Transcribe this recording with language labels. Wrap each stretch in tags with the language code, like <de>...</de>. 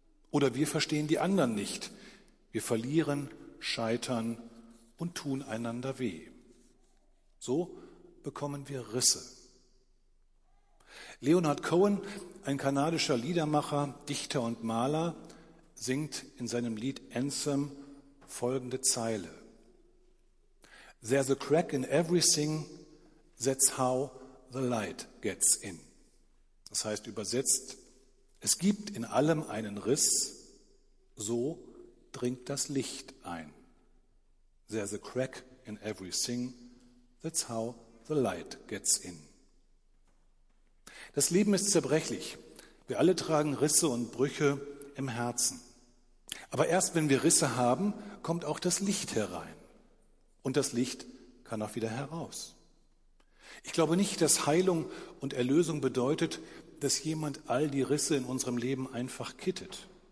<de>Oder wir verstehen die anderen nicht. Wir verlieren, scheitern und tun einander weh. So bekommen wir Risse. Leonard Cohen, ein kanadischer Liedermacher, Dichter und Maler, singt in seinem Lied Anthem folgende Zeile.</de> <en>There's a crack in everything, that's how the light gets in.</en> <de>Das heißt übersetzt, es gibt in allem einen Riss, so dringt das Licht ein.</de> <en>There's a crack in everything, that's how the light gets in.</en> <de>Das Leben ist zerbrechlich. Wir alle tragen Risse und Brüche im Herzen. Aber erst wenn wir Risse haben, kommt auch das Licht herein. Und das Licht kann auch wieder heraus. Ich glaube nicht, dass Heilung und Erlösung bedeutet, dass jemand all die Risse in unserem Leben einfach kittet.</de>